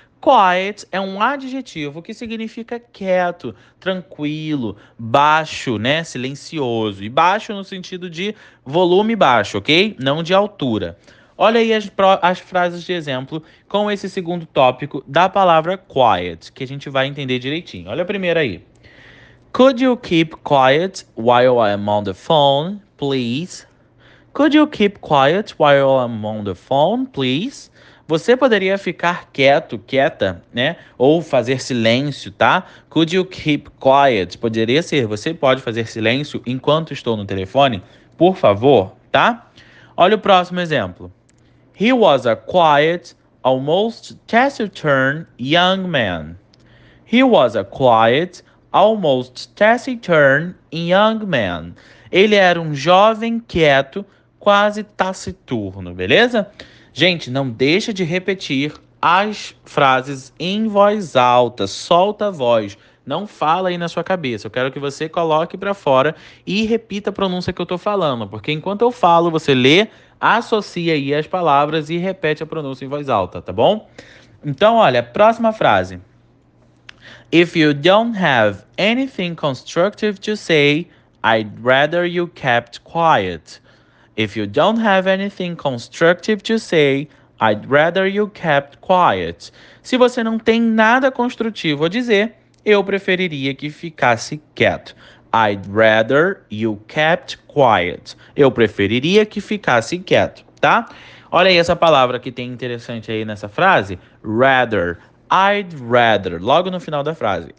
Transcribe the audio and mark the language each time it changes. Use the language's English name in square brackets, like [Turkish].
[Portuguese] Quiet é um adjetivo que significa quieto, tranquilo, baixo, né? Silencioso. E baixo no sentido de volume baixo, ok? Não de altura. Olha aí as frases de exemplo com esse segundo tópico da palavra quiet, que a gente vai entender direitinho. Olha a primeira aí. [English] Could you keep quiet while I'm on the phone, please? Could you keep quiet while I'm on the phone, please? [Portuguese] Você poderia ficar quieto, quieta, né? Ou fazer silêncio, tá? [English] Could you keep quiet? [Portuguese] Poderia ser. Você pode fazer silêncio enquanto estou no telefone? Por favor, tá? Olha o próximo exemplo. [English] He was a quiet, almost taciturn young man. He was a quiet, almost taciturn young man. [Portuguese] Ele era um jovem quieto, quase taciturno, beleza? Gente, não deixa de repetir as frases em voz alta, solta a voz. Não fala aí na sua cabeça, eu quero que você coloque para fora e repita a pronúncia que eu tô falando, porque enquanto eu falo, você lê, associa aí as palavras e repete a pronúncia em voz alta, tá bom? Então, olha, próxima frase. [English] If you don't have anything constructive to say, I'd rather you kept quiet. If you don't have anything constructive to say, I'd rather you kept quiet. [Portuguese] Se você não tem nada construtivo a dizer, eu preferiria que ficasse quieto. [English] I'd rather you kept quiet. [Portuguese] Eu preferiria que ficasse quieto, tá? Olha aí essa palavra que tem interessante aí nessa frase. [English] Rather. I'd rather. [Portuguese] Logo no final da frase.